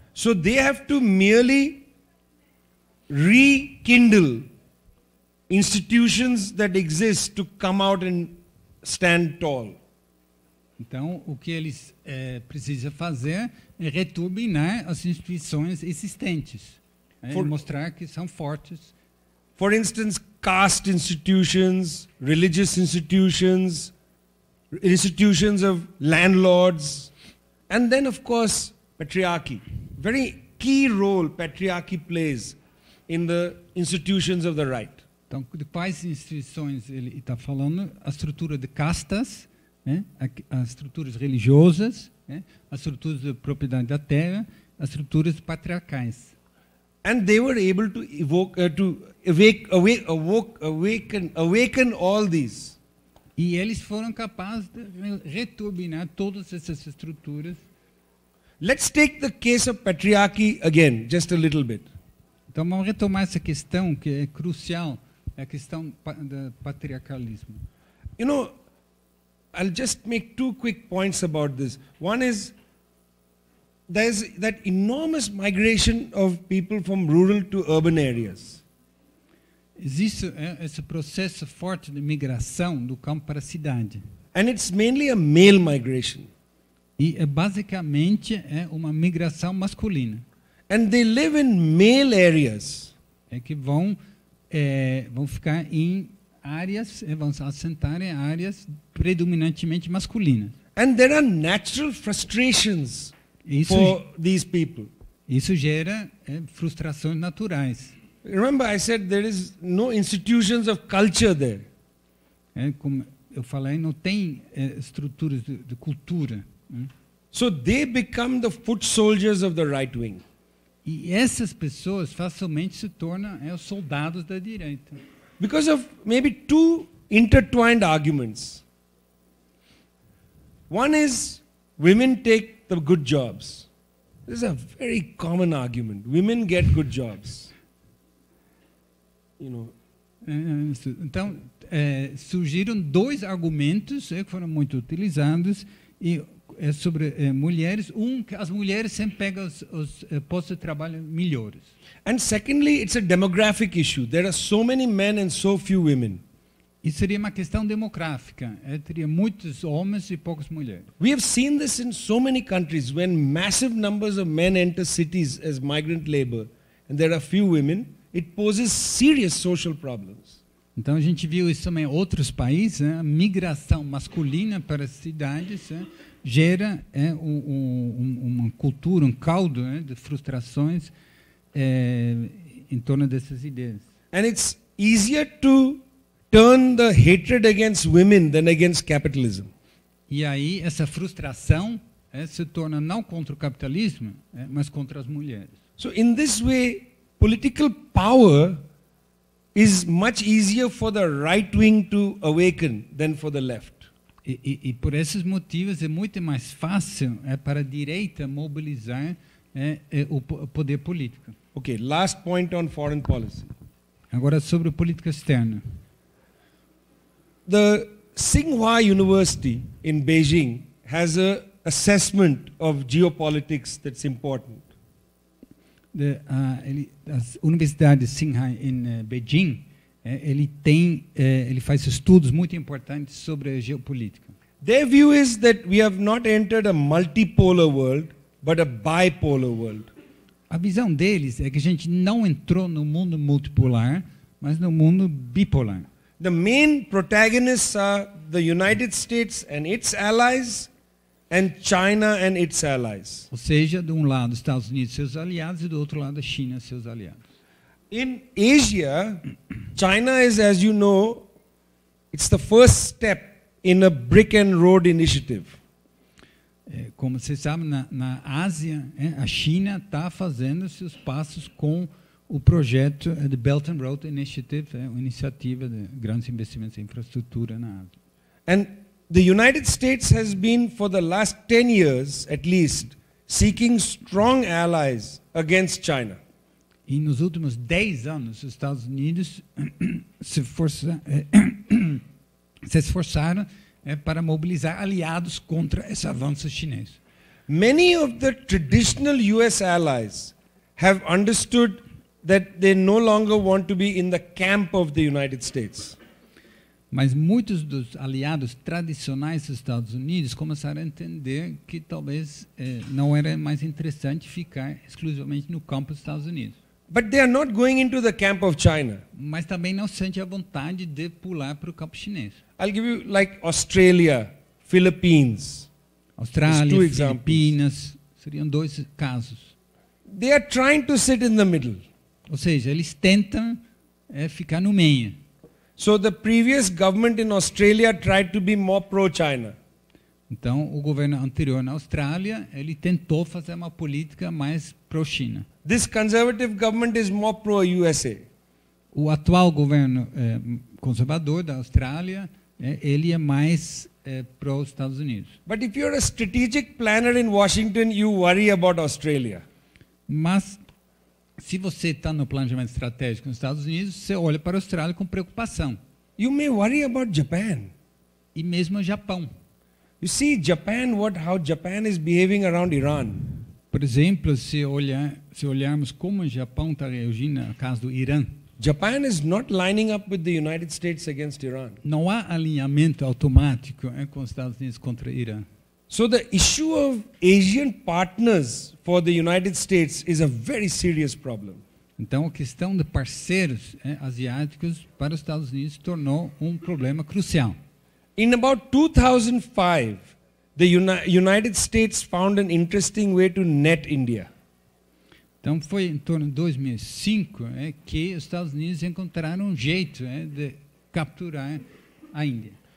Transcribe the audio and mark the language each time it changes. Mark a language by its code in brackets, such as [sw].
[en] So they have to merely rekindle institutions that exist to come out and stand tall. [pt] Então, o que eles precisam fazer é returbinar as instituições existentes, mostrar que são fortes. [en] For instance, caste institutions, religious institutions, institutions of landlords, and then, of course, patriarchy. Very key role patriarchy plays in the institutions of the right. [pt] Então, de quais instituições ele está falando? A estrutura de castas, as estruturas religiosas, as estruturas de propriedade da terra, as estruturas patriarcais. [en] And they were able to awaken all these. [pt] E eles foram capazes de returbinar todas essas estruturas. [en] Let's take the case of patriarchy again, just a little bit. [pt] Então vamos retomar essa questão que é crucial, a questão do patriarcalismo. [en] You know, I'll just make two quick points about this. One is, there's that enormous migration of people from rural to urban areas. [pt] Existe esse processo forte de migração do campo para a cidade. [en] And it's mainly a male migration. [pt] E é basicamente uma migração masculina. [en] And they live in male areas. [pt] É que vão ficar em áreas, vão se assentar em áreas predominantemente masculinas. [en] And there are natural frustrations. [pt] Isso, [en] for these people. [pt] Isso gera frustrações naturais. [en] Remember, I said there is no institutions of culture there. [pt] Como eu falei, não tem estruturas de cultura. [en] So they become the foot soldiers of the right wing. [pt] E essas pessoas facilmente se tornam os soldados da direita. [en] Because of maybe two intertwined arguments. One is women take the good jobs. This is a very common argument. Women get good jobs. You know. [pt] Então, surgiram dois argumentos que foram muito utilizados e é sobre mulheres. Um, que as mulheres sempre pegam os postos de trabalho melhores. [en] And secondly, it's a demographic issue. There are so many men and so few women. [pt] Isso seria uma questão demográfica. Teria muitos homens e poucas mulheres. [en] We have seen this in so many countries when massive numbers of men enter cities as migrant labor and there are few women, it poses serious social problems. [pt] Então a gente viu isso também em outros países, a migração masculina para as cidades gera uma cultura, um caldo de frustrações em torno dessas ideias. [en] And it's easier to turn the hatred against women than against capitalism. [pt] E aí essa frustração se torna não contra o capitalismo, mas contra as mulheres. [en] So in this way, political power is much easier for the right wing to awaken than for the left. [pt] E por esses motivos é muito mais fácil para a direita mobilizar o poder político. [en] Okay, last point on foreign policy. [pt] Agora sobre política externa. [en] The Tsinghua University in Beijing has an assessment of geopolitics that's important. [pt] A Universidade de Tsinghua [en] in Beijing, [pt] ele faz estudos muito importantes sobre a geopolítica. [en] Their view is that we have not entered a multipolar world, but a bipolar world. [pt] A visão deles é que a gente não entrou no mundo multipolar, mas no mundo bipolar. [en] The main protagonists are the United States and its allies, and China and its allies. [pt] Ou seja, de um lado Estados Unidos e seus aliados e do outro lado a China e seus aliados. [en] In Asia, China is, as you know, it's the first step in a brick and road initiative. [pt] Como vocês sabem, na Ásia, a China está fazendo seus passos com o projeto de Belt and Road Initiative, uma iniciativa de grandes investimentos em infraestrutura na Ásia. [en] And the United States has been, for the last 10 years at least, seeking strong allies against China. [pt] E nos últimos 10 anos, os Estados Unidos se esforçaram para mobilizar aliados contra esse avanço chinês. [en] Many of the traditional US allies have understood that they no longer want to be in the camp of the United States. [pt] Mas muitos dos aliados tradicionais dos Estados Unidos começaram a entender que talvez não era mais interessante ficar exclusivamente no campo dos Estados Unidos. [en] But they are not going into the camp of China. [pt] Mas também não sente a vontade de pular para o campo chinês. [en] I'll give you like Australia, Philippines. [pt] Austrália, Filipinas, seriam dois casos. [en] They are trying to sit in the middle. [pt] Ou seja, eles tentam ficar no meio. [en] So the previous government in Australia tried to be more pro-China. [pt] Então, o governo anterior na Austrália, ele tentou fazer uma política mais pro-China. [en] This conservative government is more pro-USA. [pt] O atual governo conservador da Austrália, ele é mais pro-Estados Unidos. [en] But if you're a strategic planner in Washington, you worry about Australia. [pt] Mas se você está no planejamento estratégico nos Estados Unidos, você olha para a Austrália com preocupação. [en] You may worry about Japan. [pt] E mesmo o Japão. [en] You see Japan, how Japan is behaving around Iran. [pt] Por exemplo, se olharmos como o Japão está reagindo no caso do Irã. [en] Japan is not lining up with the United States against Iran. [pt] Não há alinhamento automático com os Estados Unidos contra o Irã. [en] So the issue of Asian partners for the United States is a very serious problem. [pt] Então a questão de parceiros asiáticos para os Estados Unidos tornou problema crucial. [en] In about 2005, the United States found an interesting way to net India. [pt] Então foi em torno de 2005 que os Estados Unidos encontraram jeito de capturar a Índia.